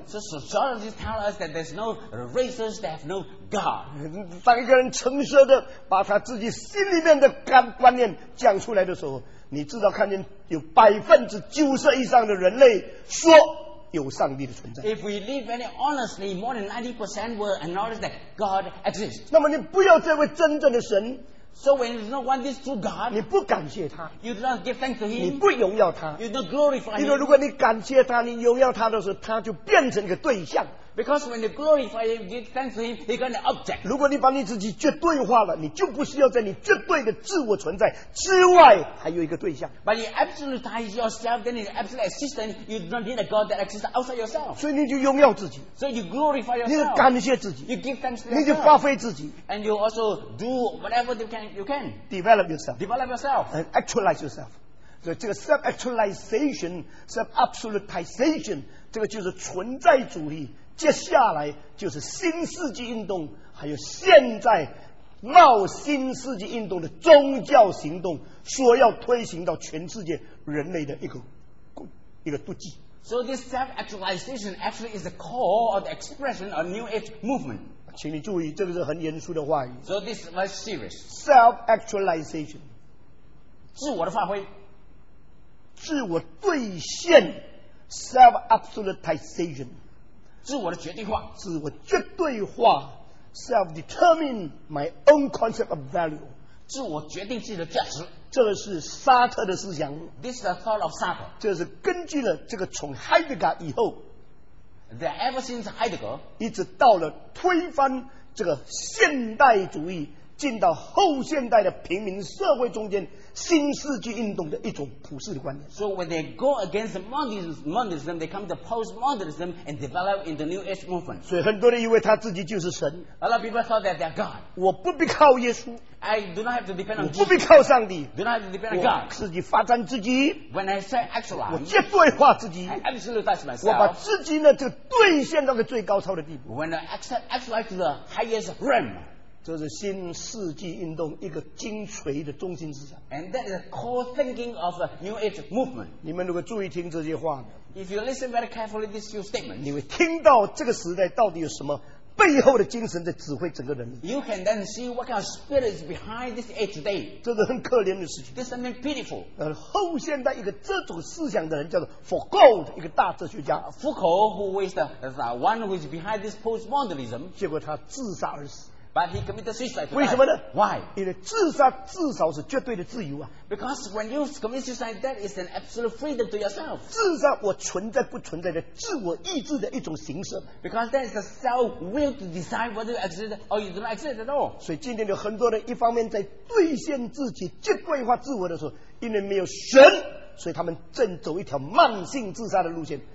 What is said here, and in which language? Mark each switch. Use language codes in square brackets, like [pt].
[en] So sociologists tell us that there's no races that have no God. [zh] 当一个人诚实的把他自己心里面的观念讲出来的时候，你知道看见有90%以上的人类说有上帝的存在。 [en] If we live very honestly, more than 90% will acknowledge that God exists. [zh] 那么你不要这位真正的神。 [en] So when you don't want this true God, [zh] 你不感谢他。 [en] You don't give thanks to him. [zh] 你不荣耀他。 [en] You don't glorify him. [zh] 因为如果你感谢他，你荣耀他的时候，他就变成一个对象。 [en] Because when you glorify him, give thanks to him, he's going to object. [zh] 如果你把你自己绝对化了，你就不需要在你绝对的自我存在之外还有一个对象。 [en] But you absolutize yourself, then in absolute existence, you don't need a God that exists outside yourself. [zh] 所以你就拥耀自己。 [en] So you glorify yourself. [zh] 你就感谢自己。 [en] You give thanks to yourself. [zh] 你就发挥自己。 [en] And you also do whatever you can. Develop yourself. Develop yourself. And actualize yourself. [zh] 所以这个 [en] self-actualization, self-absolutization, [zh] 这个就是存在主义，接下来就是新世纪运动，还有现在闹新世纪运动的宗教行动，说要推行到全世界人类的一个足迹。 [en] So this self-actualization actually is the core or the expression of New Age movement. [zh] 请你注意，这个是很严肃的话语。 [en] So this is very serious. Self-actualization. [zh] 自我的发挥。自我兑现 [en] self-absolutization [zh] 自我的决定化自我绝对化 [en] self-determine my own concept of value [zh] 自我决定自己的价值这是沙特的思想 [en] This is the thought of Sartre [zh] 这是根据了这个从 Heidegger 以后 [en] The ever since Heidegger [zh] 一直到了推翻这个现代主义进到后现代的平民社会中间新世纪运动的一种普世的观念 [en] So when they go against modernism they come to post-modernism and develop in the New Age movement [zh] 所以很多人以为他自己就是神 [en] A lot of people thought that they are God [zh] 我不必靠耶稣 [en] I do not have to depend on [zh] 我不必靠上帝 [en] Do not have to depend on God [zh] 我自己发展自己 [en] When I say actualize [zh] 我绝对化自己 [en] I absolutize myself [zh] 我把自己呢就兑现到了最高超的地步 [en] When I actualize to the highest realm [zh] 这是新世纪运动一个精髓的中心思想。 [en] And that is the core thinking of the New Age movement. [zh] 你们如果注意听这些话呢 [en] ？If you listen very carefully these few statements, [zh] 你会听到这个时代到底有什么背后的精神在指挥整个人。 [en] You can then see what kind of spirit is behind this age today. [zh] 这是很可怜的事情。 [en] This is something pitiful. [zh] 后现代一个这种思想的人叫做 Foucault， 一个大哲学家。 [en] Foucault, who was the one who is behind this postmodernism, [zh] 结果他自杀而死。 [en] But he committed suicide. [zh] 为什么呢 [en] ？Why？ [zh] 因为自杀至少是绝对的自由啊。 [en] Because when you commit suicide, that is an absolute freedom to yourself. [zh] 自杀，我存在不存在的自我意志的一种形式。 [en] Because that is the self-will to decide whether you exist or you do not exist at all. [zh] 所以今天有很多人一方面在兑现自己、绝对化自我的时候，因为没有神，所以他们正走一条慢性自杀的路线。